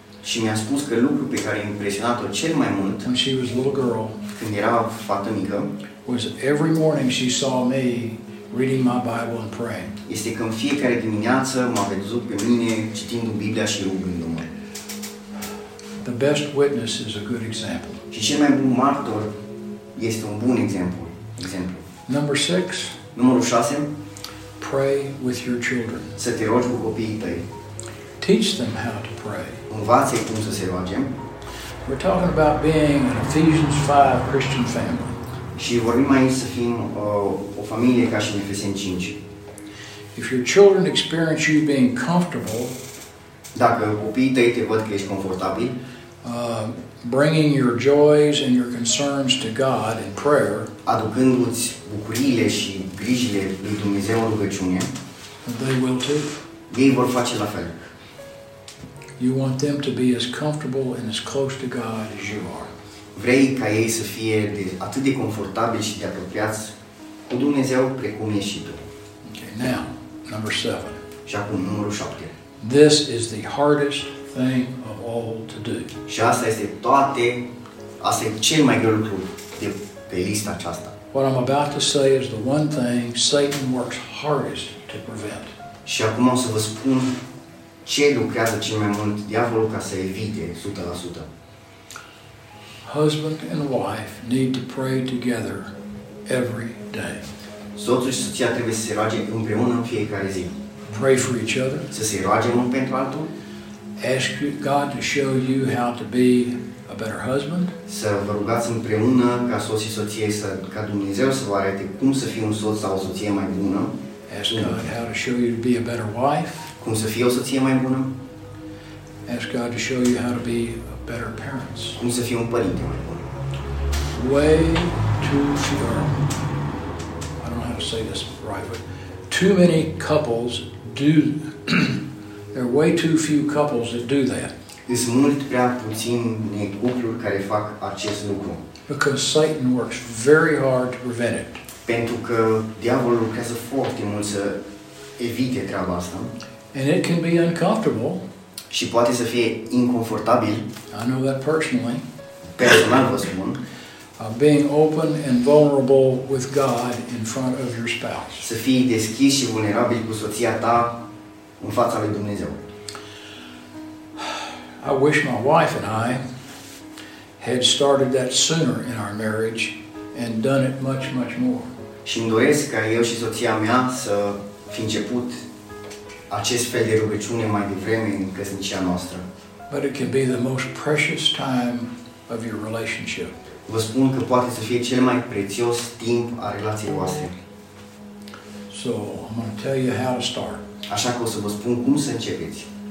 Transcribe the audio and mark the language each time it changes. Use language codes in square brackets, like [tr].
[ro] Și mi-a spus că lucrul pe care a impresionat-o cel mai mult. [en] When she was a little girl. [ro] Când era o fată mică. [en] Was every morning she saw me reading my Bible and praying. [ro] Este că în fiecare dimineață m-a văzut pe mine citind Biblia și rugându-mă. [en] The best witness is a good example. [ro] Și cel mai bun martor este un bun exemplu. [en] Number 6. [ro] Numărul 6. [en] Pray with your children. [ro] Să te rogi cu copiii tăi. [en] Teach them how to pray. [ro] Învață-i cum să se roage. [en] We're talking about being an Ephesians 5 Christian family. [ro] Și vorbim aici să fim o familie ca și în Efeseni 5. [en] If your children experience you being comfortable, [ro] dacă copiii tăi te văd că ești confortabil, [en] bringing your joys and your concerns to God in prayer, [ro] aducându-ți bucuriile și grijile lui Dumnezeu în rugăciune, [en] they will too. [ro] Ei vor face la fel. [en] You want them to be as comfortable and as close to God as you are. [ro] Vrei ca ei să fie atât de confortabili și de apropiați cu Dumnezeu precum ești tu. [en] Okay, now, number 7. [ro] Și acum numărul 7. [en] This is the hardest thing of all to do. [ro] Și asta e cel mai greu lucru de pe lista aceasta. [en] What I'm about to say is the one thing Satan works hardest to prevent. [ro] Și acum o să vă spun ce lucrează cel mai mult diavolul ca să evite 100%. [en] Husband and wife need to pray together every day. [ro] Soțul și soția trebuie să se roage împreună în fiecare zi. [en] Pray for each other. [ro] Să se roage unul pentru altul. [en] Ask God to show you how to be a better husband. [ro] Să vă rugați împreună ca soț și soție să ca Dumnezeu să vă arate cum să fie un soț sau o soție mai bună. [en] Ask God how to show you to be a better wife. [ro] Cum să fie o soție mai bună. [en] Ask God to show you how to be better parents. [ro] Cum să fie un părinte mai bun. [en] Way too few. I don't know how to say this right, but too many couples do. There are way too few couples that do that. [ro] Sunt mult prea puține cupluri care fac acest lucru. [en] Because Satan works very hard to prevent it. [ro] Pentru că diavolul lucrează foarte mult să evite treaba asta. [en] And it can be uncomfortable. [ro] Și poate să fie inconfortabil. [en] I know that personally. [ro] Personal vă spun. [en] Being open and vulnerable with God in front of your spouse. [ro] Să fii deschis și vulnerabil cu soția ta în fața lui Dumnezeu. [en] I wish my wife and I had started that sooner in our marriage and done it much, much more. [ro] Și îmi doresc ca eu și soția mea să fi început acest fel de rugăciune mai devreme în căsnicia noastră. [en] But it can be the most precious time of your relationship. [ro] Vă spun că poate să fie cel mai prețios timp a relației voastre. [en] So, I'm going to tell you how to start. [ro] Așa că o să vă spun cum să începeți.